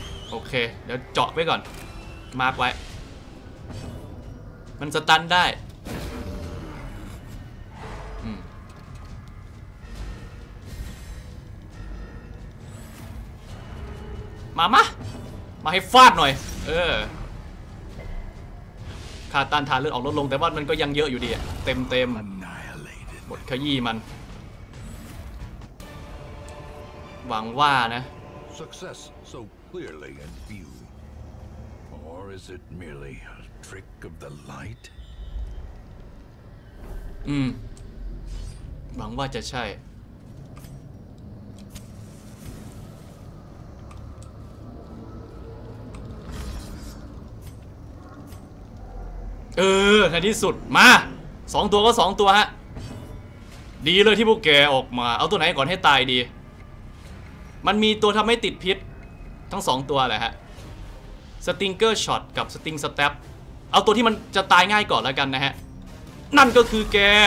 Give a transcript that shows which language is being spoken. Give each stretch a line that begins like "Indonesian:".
Thai: โอเคเดี๋ยวเจาะไว้ก่อนมาร์กไว้มันสตันได้มามามาให้ฟาดหน่อยเออขาดตันทานเลือดออกลดลงแต่ว่ามันก็ยังเยอะอยู่ดีเต็มๆบทขยี้มันหวังว่านะ
English: success so clearly in view? Or is it merely a trick of the light?
Thai: หวังว่าจะใช่ในที่สุดมา2ตัวก็2ตัวฮะดีเลยที่พวกแกออกมาเอาตัวไหนก่อนให้ตายดีมันมีตัวทำให้ติดพิษทั้ง2ตัวแหละฮะสติงเกอร์ช็อตกับสติงสเต็ปเอาตัวที่มันจะตายง่ายก่อนแล้วกันนะฮะนั่นก็คือแก